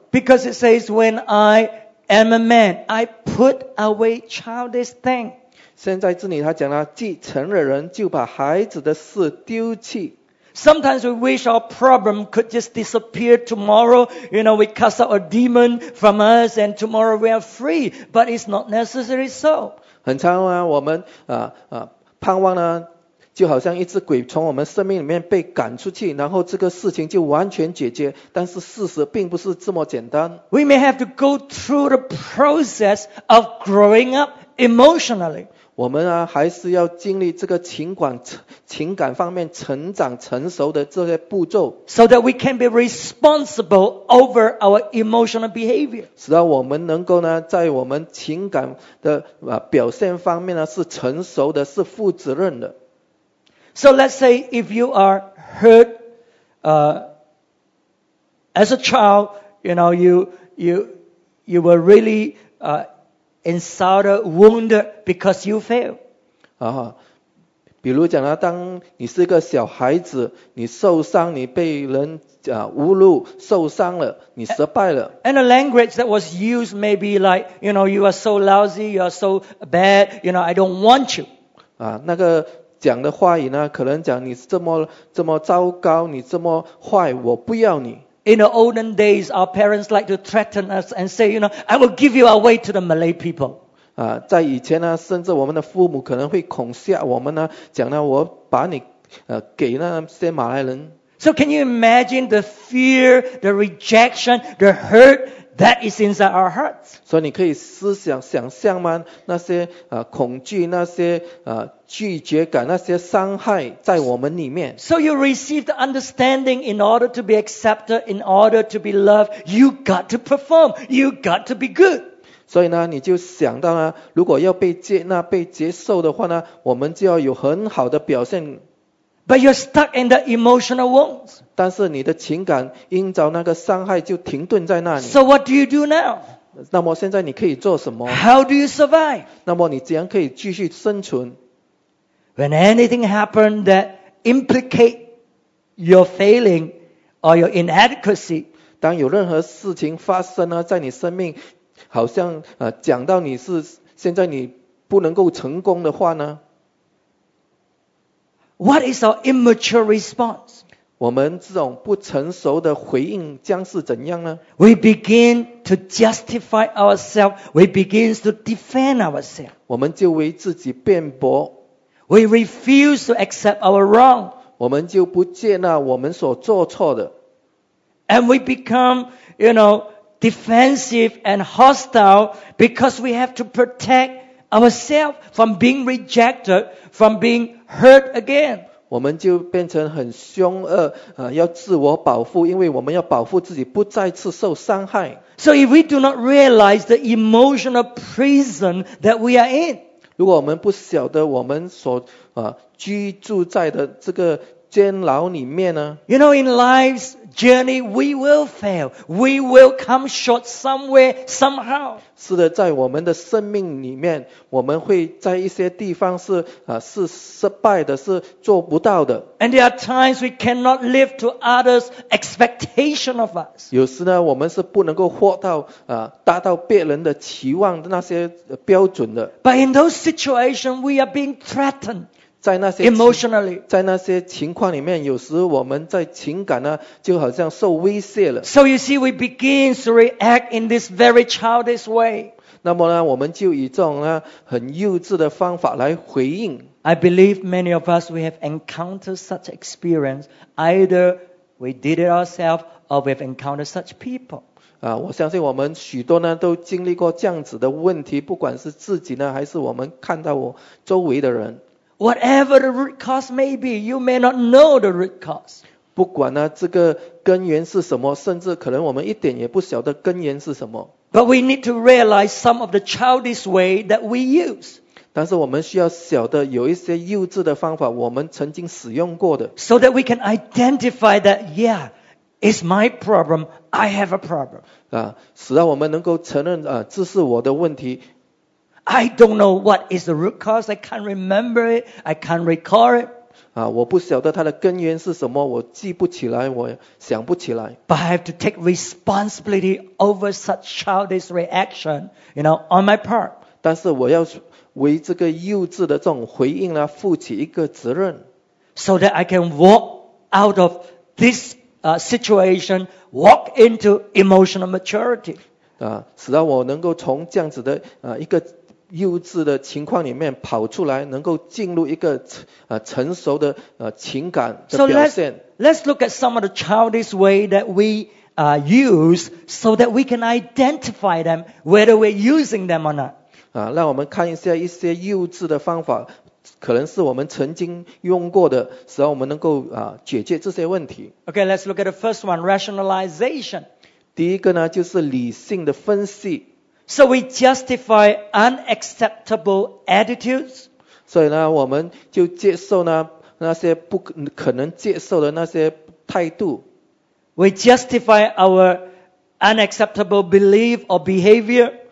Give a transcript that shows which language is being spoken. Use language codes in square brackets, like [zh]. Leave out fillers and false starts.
[en] Because it says, when I am a man, I put away childish things. [zh] 现在这里他讲了，既成了人，就把孩子的事丢弃。 [en] Sometimes we wish our problem could just disappear tomorrow. You know, we cast out a demon from us and tomorrow we are free. But it's not necessary so. [zh] 很常啊，我们盼望呢，就好像一只鬼从我们生命里面被赶出去，然后这个事情就完全解决。但是事实并不是这么简单。 [en] We may have to go through the process of growing up emotionally. [zh] 我们啊，还是要经历这个情感方面成长成熟的这些步骤 [en] ，so that we can be responsible over our emotional behavior， [zh] 使到我们能够呢，在我们情感的表现方面呢是成熟的，是负责任的。 [en] So let's say if you are hurt, as a child, you know you were really insulted, wounded because you fail. [zh] 比如讲呢，当你是一个小孩子，你受伤，你被人侮辱，受伤了，你失败了。 [en] And the language that was used may be like, you know, you are so lousy, you are so bad, you know, I don't want you. [zh] 那个讲的话语呢，可能讲你这么糟糕，你这么坏，我不要你。 [en] In the olden days, our parents like to threaten us and say, you know, I will give you away to the Malay people. [zh] 在以前呢，甚至我们的父母可能会恐吓我们呢，讲呢，我把你给那些马来人。 [en] So can you imagine the fear, the rejection, the hurt that is inside our hearts? [zh] 所以你可以想象吗？那些恐惧，那些拒绝感，那些伤害在我们里面。 [en] So you receive the understanding in order to be accepted, in order to be loved, you got to perform, you got to be good. [zh] 所以呢，你就想到呢，如果要被接纳、被接受的话呢，我们就要有很好的表现。 [en] But you're stuck in the emotional wounds. [zh] 但是你的情感因着那个伤害就停顿在那里。 [en] So what do you do now? [zh] 那么现在你可以做什么？ [en] How do you survive? [zh] 那么你怎样可以继续生存？ [en] When anything happens that implicate your failing or your inadequacy, [zh] 当有任何事情发生呢，在你生命好像讲到你是现在你不能够成功的话呢？ [en] What is our immature response? [zh] 我们这种不成熟的回应将是怎样呢？ [en] We begin to justify ourselves. We begin to defend ourselves. [zh] 我们就为自己辩驳。 [en] We refuse to accept our wrong. [zh] 我们就不接纳我们所做错的。 [en] And we become, you know, defensive and hostile because we have to protect ourselves from being rejected, from being hurt again. [zh] 我们就变成很凶恶，要自我保护，因为我们要保护自己不再次受伤害。 [en] So if we do not realize the emotional prison that we are in, [zh] 如果我们不晓得我们所居住在的这个监牢里面呢？ [en] You know, in life's journey, we will fail. We will come short somewhere, somehow. [zh] 是的，在我们的生命里面，我们会在一些地方是失败的，是做不到的。 [en] And there are times we cannot live to others' expectation of us. [zh] 有时呢，我们是不能够活到达到别人的期望的那些标准的。 [en] But in those situations, we are being threatened. [zh] 在那些 [en] emotionally， [zh] 在那些情况里面，有时我们在情感呢，就好像受威胁了。 [en] So you see, we begin to react in this very childish way. [zh] 那么呢，我们就以这种呢很幼稚的方法来回应。 [en] I believe many of us we have encountered such experience, either we did it ourselves or we've encountered such people. [zh] 我相信我们许多呢都经历过这样子的问题，不管是自己呢，还是我们看到我周围的人。 [en] Whatever the root cause may be, you may not know the root cause. [zh] 不管呢，这个根源是什么，甚至可能我们一点也不晓得根源是什么。 [en] But we need to realize some of the childish way that we use. [zh] 但是我们需要晓得有一些幼稚的方法我们曾经使用过的。 [en] So that we can identify that, yeah, it's my problem, I have a problem. [zh] 使到我们能够承认这是我的问题。 [en] I don't know what is the root cause. I can't remember it. I can't recall it. [zh] 我不晓得它的根源是什么，我记不起来，我想不起来。 [en] But I have to take responsibility over such childish reaction, you know, on my part. [zh] 但是我要为这个幼稚的这种回应呢，负起一个责任。 [en] So that I can walk out of this situation, walk into emotional maturity. [zh] 使到我能够从这样子的一个幼稚的情况里面跑出来，能够进入一个成熟的情感的表现。 [en] So let's look at some of the childish way that we use so that we can identify them whether we're using them or not. [zh] 让我们看一下一些幼稚的方法，可能是我们曾经用过的，使到我们能够解决这些问题。 [en] Okay, let's look at the first one, rationalization. [zh] 第一个呢，就是理性的分析。 [en] So we justify unacceptable attitudes. [zh] 所以呢，我们就接受呢那些不可能接受的那些态度。 [en] We justify our unacceptable belief or behavior.